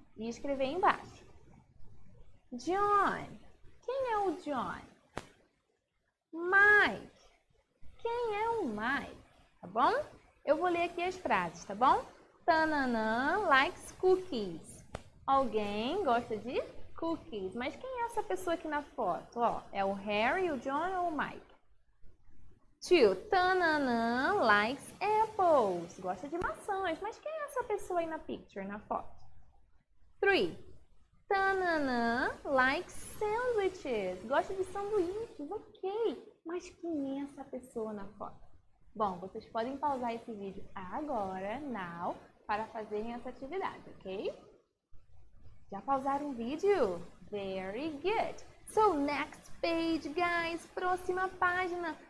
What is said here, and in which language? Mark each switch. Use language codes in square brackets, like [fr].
[pt] E escrever embaixo. John. Quem é o John? Mike. Quem é o Mike? Tá bom? Eu vou ler aqui as frases, tá bom? [en] Tananã likes cookies. [pt] Alguém gosta de cookies. Mas quem é essa pessoa aqui na foto? Ó, é o Harry, o John ou o Mike? [en] Tio, Tananã likes apples. [pt] Gosta de maçãs. Mas quem é essa pessoa aí na picture, na foto? 3. [en] Tananã likes sandwiches. [pt] Gosta de sanduíches. Ok. Mas quem é essa pessoa na foto? Bom, vocês podem pausar esse vídeo agora, now, para fazerem essa atividade, ok? Já pausaram o vídeo? [en] Very good! So next page, guys, [pt] próxima página.